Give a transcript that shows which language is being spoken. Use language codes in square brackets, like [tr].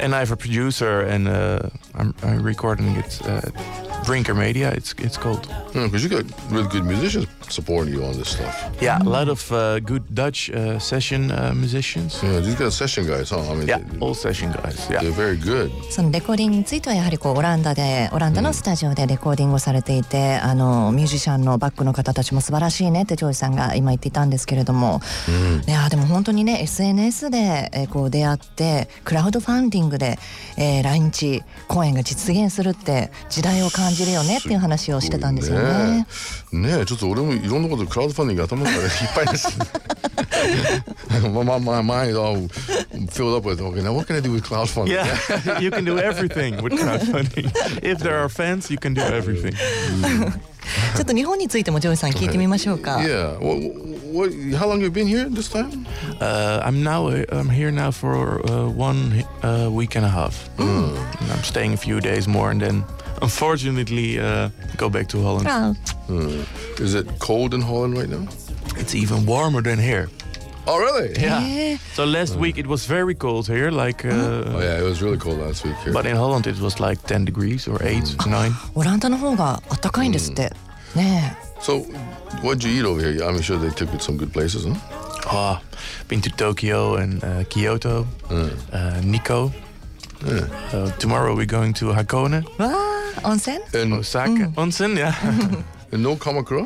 [en] And I have a producer and I'm recording it at Brinker Media, it's called. Because you got really good musicians supporting you on this stuff. Yeah, a lot of good Dutch session musicians. Yeah, these guys are session guys, huh? I mean, yeah, all session guys. Yeah. They're very good. [ja] そのレコーディングについてはやはりこうオランダのスタジオでレコーディングをされていて、ミュージシャンのバックの方たちも素晴らしいねってジョージさんが今言っていたんですけれども、いやでも本当にね、SNS でこう出会ってクラウドファンディングで、来日公演が実現するって時代を感じるよねっていう話をしてたんですよね。ねえ、ちょっと俺もいろんなことクラウドファンディング頭からいっぱいです。 [en] my mind all filled up with, okay, now what can I do with crowdfunding? Yeah, you can do everything with crowdfunding. If there are fans, you can do everything. [ja] ちょっと日本についてもジョージさん聞いてみましょうか。 [en] Yeah, what, how long have you been here this time? I'm here now for one week and a half. I'm staying a few days more and then... Unfortunately, go back to Holland. Is it cold in Holland right now? It's even warmer than here. Oh, really? Yeah. So last week it was very cold here. It was really cold last week here. But in Holland it was like 10 degrees or 8, 9. [ja] オランダの方が暖かいんですって。ねえ。 [en] So, what did you eat over here? I'm sure they took it some good places, huh? Been to Tokyo and Kyoto, Nikko. Tomorrow we're going to Hakone. Ah, onsen? In Osaka. Mm. Onsen, yeah. And no Kamakura?